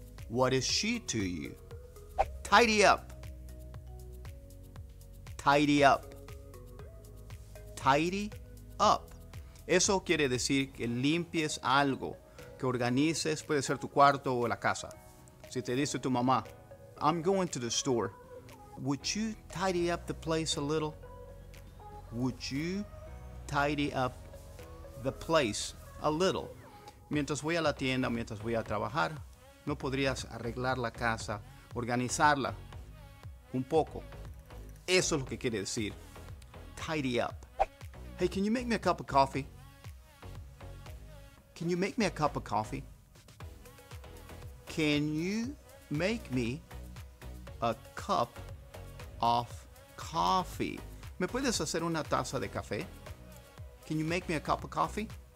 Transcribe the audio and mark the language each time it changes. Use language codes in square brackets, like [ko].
[en] What is she to you? Tidy up. Tidy up. Tidy up. [es] Eso quiere decir que limpies algo, que organices, puede ser tu cuarto o la casa. Si te dice tu mamá, [en] I'm going to the store. Would you tidy up the place a little? Would you tidy up the place a little? [es] Mientras voy a la tienda, mientras voy a trabajar, ¿no podrías arreglar la casa, organizarla un poco? Eso es lo que quiere decir. [en] Tidy up. Hey, can you make me a cup of coffee? Can you make me a cup of coffee? Can you make me a cup of coffee? [es] ¿Me puedes hacer una taza de café? [en] Can you make me a cup of coffee?